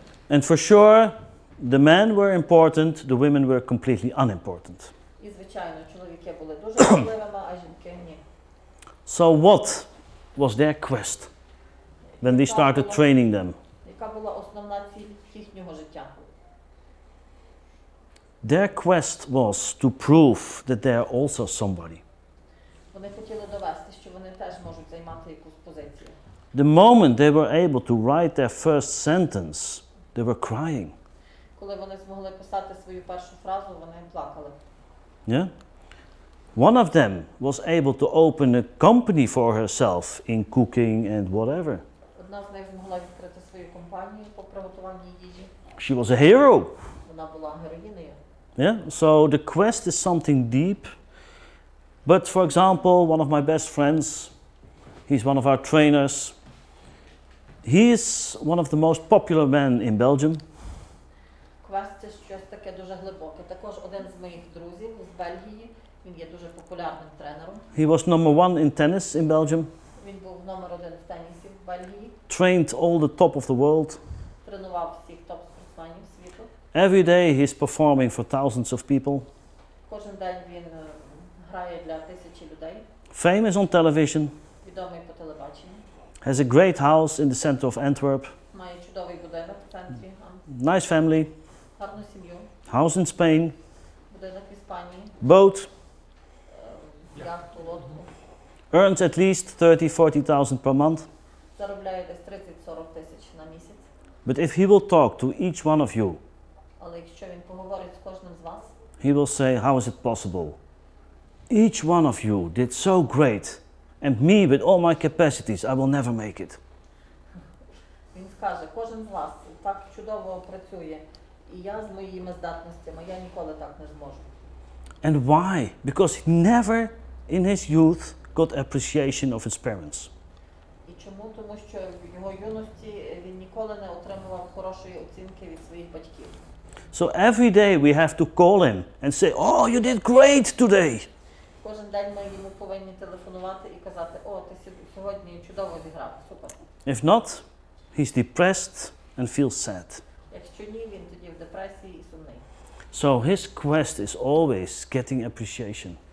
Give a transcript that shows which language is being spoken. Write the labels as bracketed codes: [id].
[en] And for sure, the men were important, the women were completely unimportant. [uk] І звичайно, чоловіки були дуже важливими, а жінки ні. [en] So what was their quest when they started training them? [uk] Яка була основна ціль їхнього життя? [en] Their quest was to prove that they are also somebody. [uk] Вони хотіли довести, що вони теж можуть займати якусь позицію. [en] The moment they were able to write their first sentence, they were crying. [uk] Коли вони змогли писати свою першу фразу, вони плакали. [en] Yeah? One of them was able to open a company for herself in cooking and whatever. [uk] Одна з них змогла відкрити свою компанію по приготуванню їжі. [en] She was a hero. [uk] Вона була героїнею. [en] Yeah, so the quest is something deep. But for example, one of my best friends, he's one of our trainers. He is one of the most popular men in Belgium. Quest is [uk] щось таке дуже глибоке. Також один з моїх друзів з Бельгії, він є дуже популярним тренером. [en] He was number one in tennis in Belgium. [uk] Він був номер один в тенісі в Бельгії. [en] Trained all the top of the world. [uk] Тренував всіх топ спортсменів світу. [en] Every day he's performing for thousands of people. [uk] Кожен день він грає для тисячі людей. [en] Famous on television. [uk] Відомий по телебаченню. [en] Has a great house in the center of Antwerp. [uk] Має чудовий будинок в центрі. [en] Nice family. [uk] Гарну сім'ю. [en] House in Spain. [uk] Будинок в Іспанії. [en] Boat. [uk] Яхту, лодку. [en] Earns at least 30-40,000 per month. [uk] Заробляє десь 30-40 тисяч на місяць. [en] But if he will talk to each one of you, [uk] але якщо він поговорить з кожним з вас, [en] he will say, how is it possible? Each one of you did so great, and me with all my capacities, I will never make it. [uk] Він скаже, кожен з вас так чудово працює, і я з моїми здатностями, я ніколи так не зможу. [en] And why? Because he never in his youth got appreciation of his parents. [uk] І чому? Тому що в його юності він ніколи не отримував хорошої оцінки від своїх батьків. [en] So every day we have to call him and say, oh, you did great today. [uk] Кожен день ми йому повинні телефонувати і казати, о, ти сьогодні чудово зіграв, супер. [en] If not, he's depressed and feels sad. [uk] Якщо ні, він тоді в депресії і сумний. [en] So his quest is always getting appreciation.